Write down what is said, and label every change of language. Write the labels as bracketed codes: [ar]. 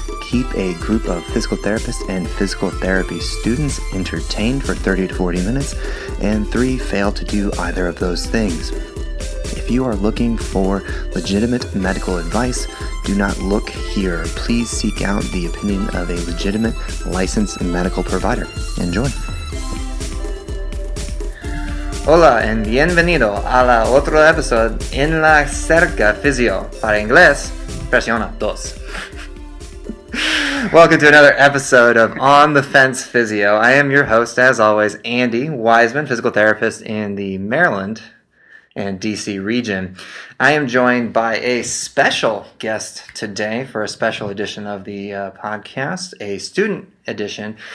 [en] Keep a group of physical therapists and physical therapy students entertained for 30 to 40 minutes, and 3. Fail to do either of those things. If you are looking for legitimate medical advice, do not look here. Please seek out the opinion of a legitimate licensed medical provider. Enjoy. [es] Hola and bienvenido a la otro episode en la cerca physio. Para inglés, presiona dos. [en] Welcome to another episode of On the Fence Physio. I am your host, as always, Andy Wiseman, physical therapist in the Maryland and DC region. I am joined by a special guest today for a special edition of the podcast, a student edition.